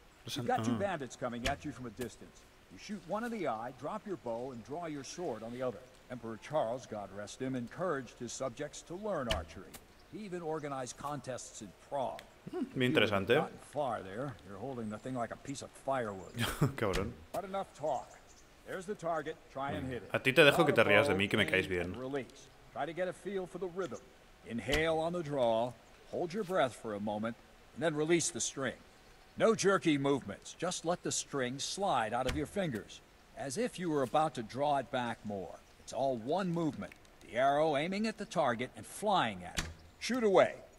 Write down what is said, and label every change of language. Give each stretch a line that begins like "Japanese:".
English: You've got two bandits coming at you from a distance. You shoot one in the eye, drop your bow, and draw your sword on the other. Emperor Charles, God rest him, encouraged his subjects to learn archery. He even organized contests in Prague.
Spanish: Muy interesante.
English: Far there, you're holding the thing like a piece of firewood.
Spanish: Cabrón.
English: Not enough talk. There's the target. Try and hit it.
Spanish: A ti te dejo que te rías de mí, que me caes bien.
English: Try to get a feel for the rhythm. Inhale on the draw. Hold your breath for a moment, and then release the string. No jerky movements. Just let the string slide out of your fingers, as if you were about to draw it back more. It's all one movement. The arrow aiming at the target and flying at it. Shoot away.